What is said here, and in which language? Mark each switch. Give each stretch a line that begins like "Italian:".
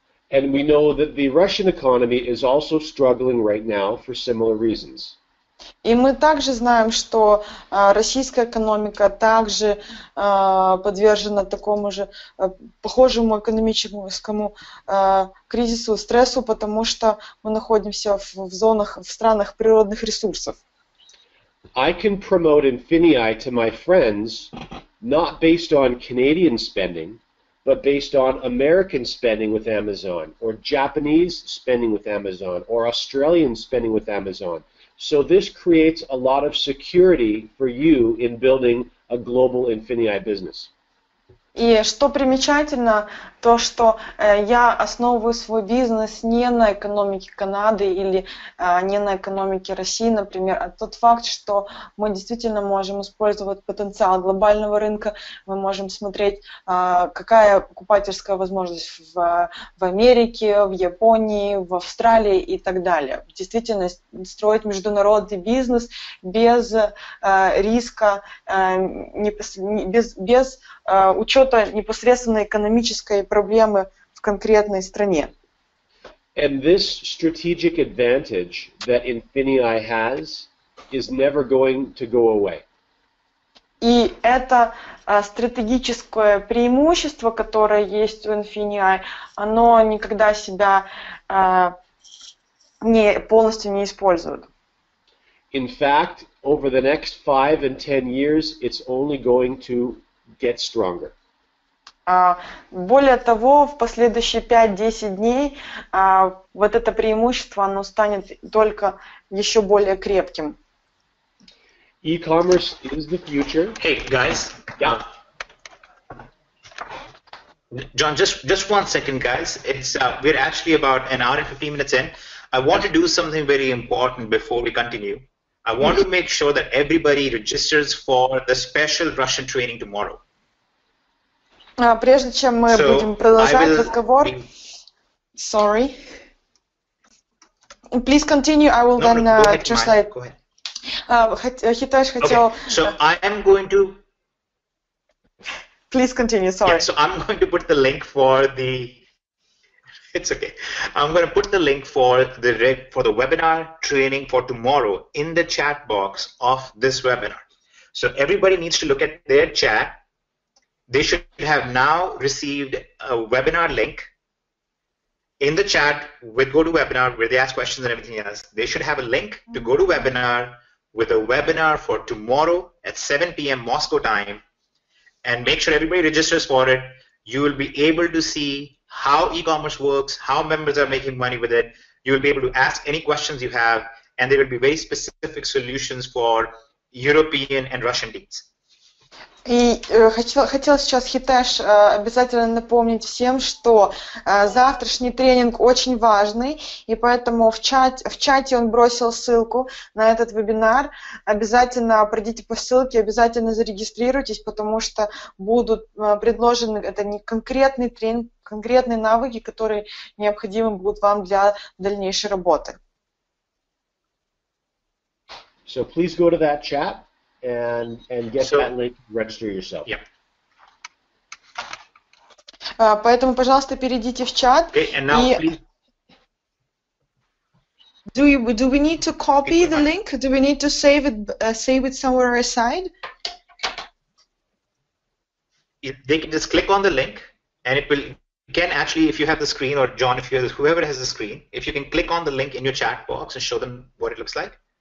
English: And we know that the Russian economy is also struggling right now for similar reasons.
Russian: И мы также знаем, что российская экономика также подвержена такому же похожему экономическому кризису, стрессу, потому что мы находимся в зонах, в странах природных ресурсов.
English: I can promote Infinii to my friends not based on Canadian spending, but based on American spending with Amazon, or Japanese spending with Amazon, or Australian spending with Amazon. So this creates a lot of security for you in building a global Infinii business.
Russian: И что примечательно, то что я основываю свой бизнес не на экономике Канады или не на экономике России, например, а тот факт, что мы действительно можем использовать потенциал глобального рынка, мы можем смотреть, какая покупательская возможность в Америке, в Японии, в Австралии и так далее. Действительно, строить международный бизнес без риска, без учета непосредственно экономической проблемы в конкретной стране.
English: And this strategic advantage that Infinii has is never going to go away.
Russian: И это стратегическое преимущество, которое есть у Infinii, оно никогда себя не полностью не использует.
English: In fact, over the next 5 and 10 years, it's only going to get stronger.
Russian: Более того, в последующие 5-10 дней вот это преимущество, оно станет только еще более крепким.
English: E-commerce is the future. Hey, guys. Yeah. John, just one second, guys. It's we're actually about an hour and 15 minutes in. I want to do something very important before we continue. I want to make sure that everybody registers for the special Russian training tomorrow.
Russian: Прежде чем мы будем продолжать разговор,
English: sorry, please continue. I will translate. Go ahead.
Russian: Хитош хотел.
English: Okay. So I am going to. Please continue. Sorry. Yeah, so I'm going to put the link for the. It's okay. I'm going to put the link for the webinar training for tomorrow in the chat box of this webinar. So everybody needs to look at their chat. They should have now received a webinar link, in the chat with GoToWebinar, where they ask questions and everything else, they should have a link to GoToWebinar with a webinar for tomorrow at 7 p.m. Moscow time. And make sure everybody registers for it. You will be able to see how e-commerce works, how members are making money with it. You will be able to ask any questions you have, and there will be very specific solutions for European and Russian teams.
Russian: И хотела сейчас, Хитеш, обязательно напомнить всем, что завтрашний тренинг очень важный, и поэтому в чате он бросил ссылку на этот вебинар. Обязательно пройдите по ссылке, обязательно зарегистрируйтесь, потому что будут предложены, это не конкретный тренинг, конкретные навыки, которые необходимы будут вам для дальнейшей работы.
English: So please go to that chat. And get that link, register yourself.
Russian: Поэтому, пожалуйста, перейдите в чат.
English: Do we need to copy the link? Do we need to save it somewhere aside? They can just click on the link, and it will again, actually, if you have the screen, or John, if you have whoever has the screen, if you can click on the link in your chat box and show them what it looks like.